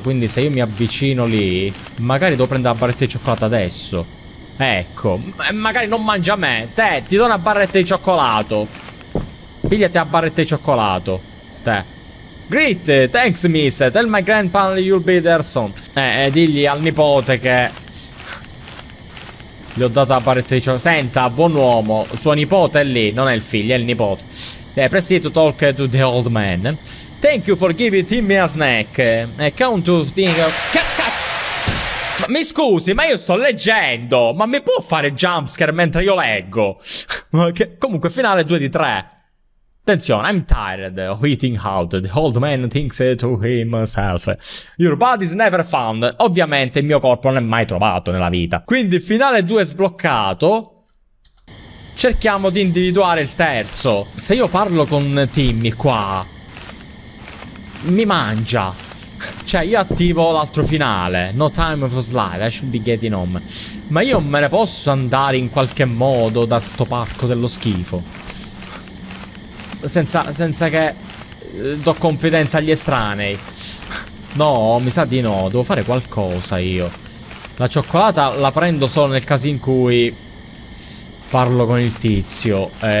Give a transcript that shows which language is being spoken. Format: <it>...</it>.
<it>Quindi se io mi avvicino lì, magari devo prendere la barretta di cioccolato adesso. Ecco. Magari non mangia me. Te, ti do una barretta di cioccolato. Pigliati la barretta di cioccolato.</it> <en>Te. Great, thanks miss. Tell my grandpa you'll be there soon.</en> <it>Digli al nipote che gli ho dato la barretta di cioccolato. Senta, buon uomo, suo nipote è lì. Non è il figlio, è il nipote.</it> <en>Press to talk to the old man. Thank you for giving Timmy a snack. Count to think of...</en> <it>Ma mi scusi, ma io sto leggendo. Ma mi può fare jumpscare mentre io leggo? Okay. Comunque, finale 2 di 3.</it> <en>Attenzione, I'm tired of eating out. The old man thinks to himself. Your body's never found.</en> <it>Ovviamente il mio corpo non è mai trovato nella vita. Quindi, finale 2 sbloccato. Cerchiamo di individuare il terzo. Se io parlo con Timmy qua, mi mangia. Cioè io attivo l'altro finale.</it> <en>No time for slide, I should be getting home.</en> <it>Ma io me ne posso andare in qualche modo da sto parco dello schifo senza che do confidenza agli estranei? No, mi sa di no. Devo fare qualcosa io. La cioccolata la prendo solo nel caso in cui parlo con il tizio.</it>